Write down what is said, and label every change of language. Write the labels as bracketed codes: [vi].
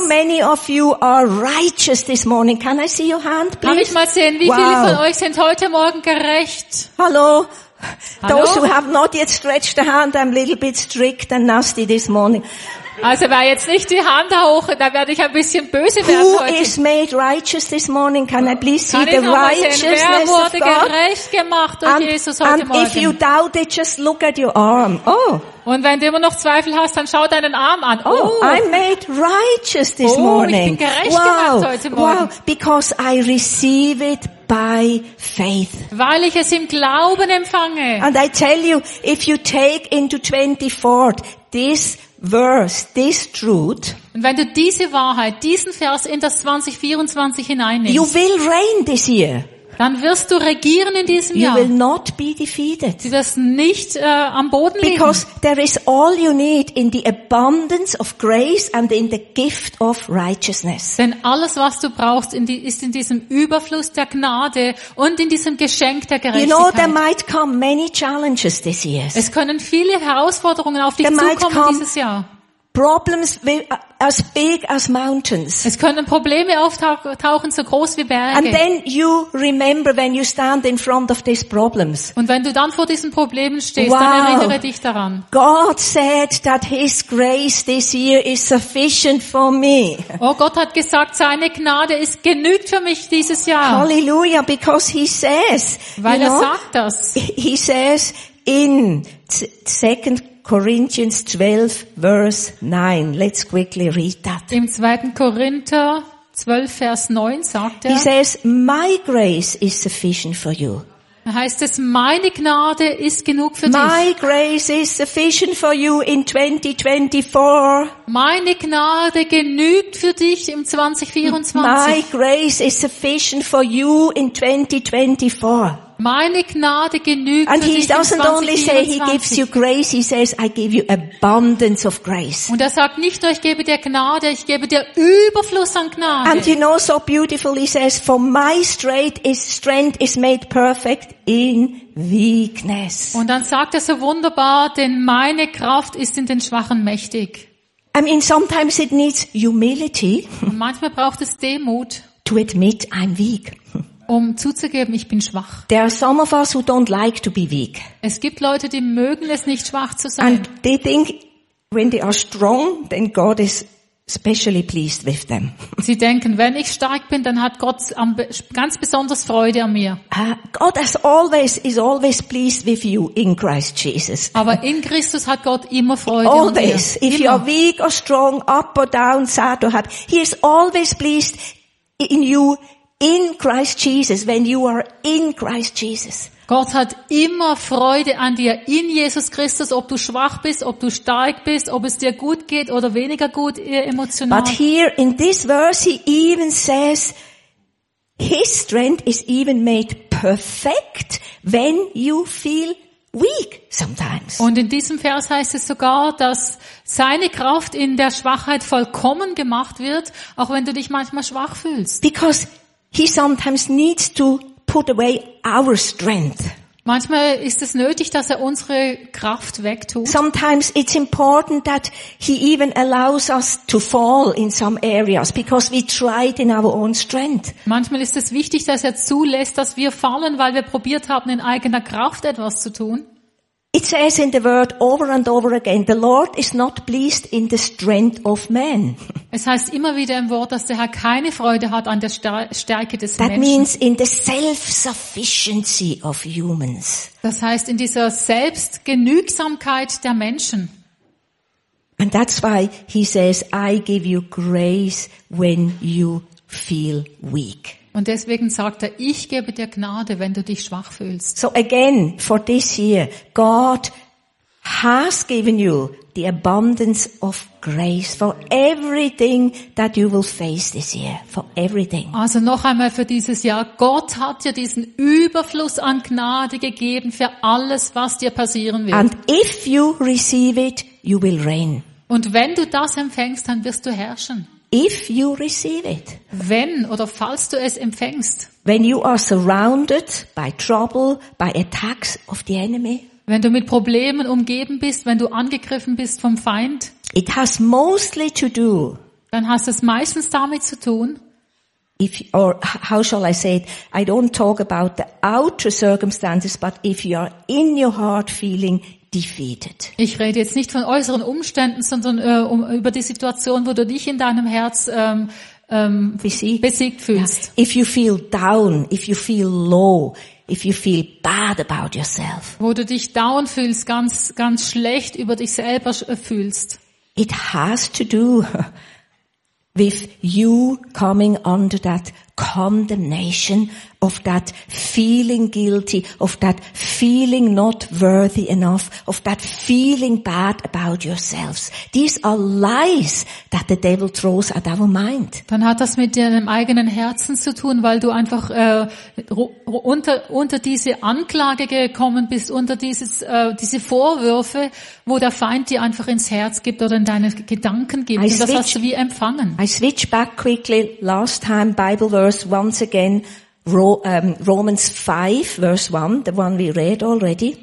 [en] How many of you are righteous this morning? Can I see your hand, please? [de] Kann ich mal sehen, wie viele von euch sind heute Morgen gerecht? Hallo? [en] Those who have not yet stretched the hand, I'm a little bit strict and nasty this morning. [de] Also wer jetzt nicht die Hand hoch, da werde ich ein bisschen böse werden [en] who [de] heute. [en] Who is made righteous this morning? Can I please see [de] Kann [en] the righteousness [de] sehen, wer wurde [en] of God? [de] Gerecht gemacht durch [en] and, [de] Jesus heute [en] and [de] Morgen? [en] If you doubt it, just look at your arm. Oh. [de] Und wenn du immer noch Zweifel hast, dann schau deinen Arm an. Oh, [en] I'm made righteous this morning. [de] Oh, ich bin gerecht gemacht heute Morgen. [en] Wow, because I receive it by faith. [de] Weil ich es im Glauben empfange. [en] And I tell you, if you take into 24 this verse, this truth. [de] Und wenn du diese Wahrheit, diesen Vers in das 2024 hineinnimmst, [en] you will reign this year. [de] Dann wirst du regieren in diesem [en] you [de] Jahr. [en] You will not be defeated. [de] Du wirst nicht am Boden liegen. [en] Because there is all you need in the abundance of grace and in the gift of righteousness. [de] Denn alles, was du brauchst, ist in diesem Überfluss der Gnade und in diesem Geschenk der Gerechtigkeit. [en] You know, there might come many challenges this year. [de] Es können viele Herausforderungen auf dich zukommen dieses Jahr. [en] Problems as big as mountains. [de] Es können Probleme auftauchen, so groß wie Berge. [en] And then you remember when you stand in front of these problems. [de] Und wenn du dann vor diesen Problemen stehst, dann erinnere dich daran. [en] God said that His grace this year is sufficient for me. [de] Oh, Gott hat gesagt, seine Gnade ist genügt für mich dieses Jahr. [en] Hallelujah, because He says. [de] Weil [en] you know, [de] er sagt das. [en] He says in 2 Corinthians 12 verse 9. Let's quickly read that. [de] Im 2. Korinther 12 Vers 9 sagt er. [en] He says, "My grace is sufficient for you." [de] Heißt es, meine Gnade ist genug für [en] My [de] dich. [en] My grace is sufficient for you in 2024. [de] Meine Gnade genügt für dich im 2024. [en] My grace is sufficient for you in 2024. [de] Meine Gnade genügt [en] And [de] für dich [en] he doesn't [de] in 2024. [en] Only say he gives you grace, he says I give you abundance of grace. [de] Und er sagt nicht nur, ich gebe dir Gnade, ich gebe dir Überfluss an Gnade. [en] And you know so beautiful he says, for my strength is made perfect in weakness. [de] Und dann sagt er so wunderbar, denn meine Kraft ist in den Schwachen mächtig. [en] I mean sometimes it needs humility. [de] Und manchmal braucht es Demut. [en] To admit I'm weak. [de] Um zuzugeben, ich bin schwach. [en] There are some of us who don't like to be weak. [de] Es gibt Leute, die mögen es nicht, schwach zu sein. [en] And they think when they are strong, then God is specially pleased with them. [de] Sie denken, wenn ich stark bin, dann hat Gott ganz besonders Freude an mir. [en] God is always pleased with you in Christ Jesus. [de] Aber in Christus hat Gott immer Freude [en] always. Always, if [de] immer. [en] You are weak or strong, up or down, sad or happy, He is always pleased in you. In Christ Jesus, when you are in Christ Jesus. [de] Gott hat immer Freude an dir in Jesus Christus, ob du schwach bist, ob du stark bist, ob es dir gut geht oder weniger gut emotional. [en] But here in this verse he even says, his strength is even made perfect when you feel weak sometimes. [de] Und in diesem Vers heißt es sogar, dass seine Kraft in der Schwachheit vollkommen gemacht wird, auch wenn du dich manchmal schwach fühlst. [en] Because He sometimes needs to put away our strength. [de] Manchmal ist es nötig, dass er unsere Kraft wegtut. [en] Sometimes it's important that he even allows us to fall in some areas because we tried in our own strength. [de] Manchmal ist es wichtig, dass er zulässt, dass wir fallen, weil wir probiert haben, in eigener Kraft etwas zu tun. [en] It says in the word over and over again, the Lord is not pleased in the strength of man. [de] Es heißt immer wieder im Wort, dass der Herr keine Freude hat an der Stärke des Menschen. [en] That means in the self-sufficiency of humans. [de] Das heißt in dieser Selbstgenügsamkeit der Menschen. [en] And that's why he says, I give you grace when you feel weak. [de] Und deswegen sagt er, ich gebe dir Gnade, wenn du dich schwach fühlst. [en] So again, for this year, God has given you the abundance of grace for everything that you will face this year, for everything. [de] Also noch einmal für dieses Jahr, Gott hat dir diesen Überfluss an Gnade gegeben für alles, was dir passieren wird. [en] And if you receive it, you will reign. [de] Und wenn du das empfängst, dann wirst du herrschen. [en] If you receive it, [de] wenn oder falls du es empfängst, [en] when you are surrounded by trouble, by attacks of the enemy, [de] wenn du mit Problemen umgeben bist, wenn du angegriffen bist vom Feind, [en] it has mostly to do, [de] dann hast es meistens damit zu tun, [en] if or how shall I say it? I don't talk about the outer circumstances, but if you are in your heart feeling defeated. [de] Ich rede jetzt nicht von äußeren Umständen, sondern über die Situation, wo du dich in deinem Herz besiegt fühlst. [en] If you feel down, if you feel low, if you feel bad about yourself. [de] Wo du dich down fühlst, ganz ganz schlecht über dich selber fühlst. [en] It has to do with you coming under that condemnation of that feeling guilty, of that feeling not worthy enough, of that feeling bad about yourselves. These are lies that the devil throws at our mind. [de] Dann hat das mit deinem eigenen Herzen zu tun, weil du einfach unter diese Anklage gekommen bist, unter dieses diese Vorwürfe, wo der Feind dir einfach ins Herz gibt oder in deine Gedanken gibt. Und das hast du wie empfangen. [en] I switch back quickly last time Bible verse once again, Romans 5, verse 1, the one we read already.